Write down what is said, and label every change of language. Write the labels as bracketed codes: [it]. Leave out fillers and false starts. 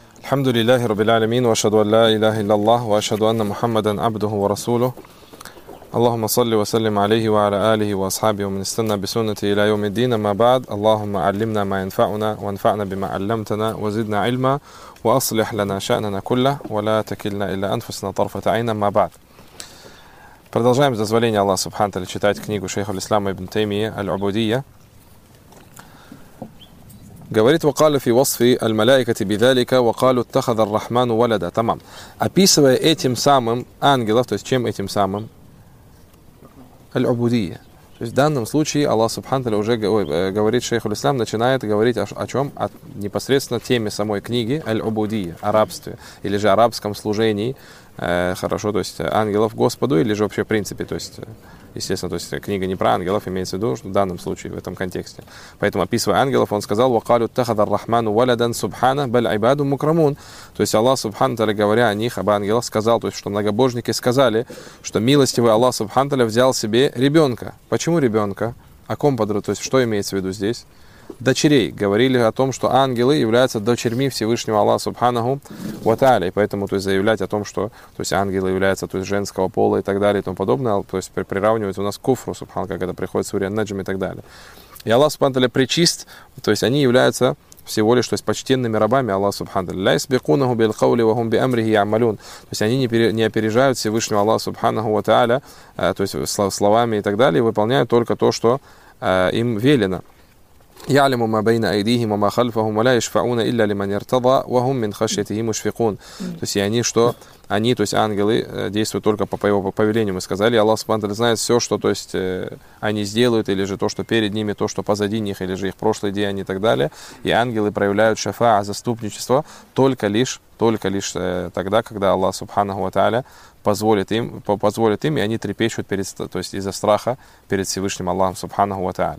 [ar] الحمد لله رب العالمين وأشهد أن لا إله إلا الله وأشهد أن محمدا عبده ورسوله اللهم صل وسلم عليه وعلى آله وأصحابه ومن استنى بسنته إلى يوم الدين ما بعد اللهم علمنا ما ينفعنا وانفعنا بما علمتنا وزدنا علما وأصلح لنا شأننا كله ولا تكلنا إلى أنفسنا طرفة عين ما بعد. [ru] Продолжаем с дозволения Аллаха Субхана Тааля читать книгу шейха Ислама ибн Таймия «Аль-Убудия». Говорит, [ar] وقال في وصف الملائكة بذلك وقالوا اتخذ الرحمن ولدا. [ru] Тамам. Описывая этим самым ангелов, то есть чем этим самым? Аль-Убудия. То есть в данном случае Аллах Субхана Тааля уже говорит, шейх Ислам начинает говорить о чем? О непосредственно теме самой книги Аль-Убудия, о рабстве, или же арабском служении, хорошо, то есть ангелов Господу, или же вообще в принципе, то есть, естественно, то есть книга не про ангелов, имеется в виду, что в данном случае, в этом контексте. Поэтому, описывая ангелов, он сказал, [ar] وَقَالُوا اتَّخَذَ الرَّحْمَنُ وَلَدًا سُبْحَانَ بَلْ عِبَادٌ مُكْرَمُونَ. [ru] То есть Аллах Субхана Тааля, говоря о них, об ангелах, сказал, то есть что многобожники сказали, что милостивый Аллах Субхана Тааля взял себе ребенка. Почему ребенка? О ком подруга? То есть что имеется в виду здесь? Дочерей. Говорили о том, что ангелы являются дочерьми Всевышнего Аллаха Субханаху ва Тааля. И поэтому то есть, заявлять о том, что то есть, ангелы являются то есть, женского пола и так далее и тому подобное, то есть приравнивать у нас к куфру Субхану, как это приходит в суре Наджм и так далее. И Аллах Субхану Тааля причист, то есть они являются всего лишь то есть, почтенными рабами Аллаха Субхану Тааля. [ar] «Ля исбекунаху бил каули ва хум би амрихи ямалюн». [ru] То есть они не опережают Всевышнего Аллаха Субханаху ва Тааля, то есть словами и так далее, и выполняют только то, что им велено. [ar] يعلم ما بين أيديهم وما خلفهم ولا يشفعون إلا لمن ارتضى وهم من خشيته مشفقون. [ru] То есть они что? Они, то есть ангелы, действуют только по его повелению. Мы сказали, Аллах Субхана Тааля знает все, что то есть, они сделают, или же то, что перед ними, то, что позади них, или же их прошлые деяния и так далее. И ангелы проявляют шафа'а, заступничество, только лишь тогда, когда Аллах Субханаху ва Тааля позволит им, и они трепещут перед, то есть из-за страха перед Всевышним Аллахом Субханаху ва Тааля.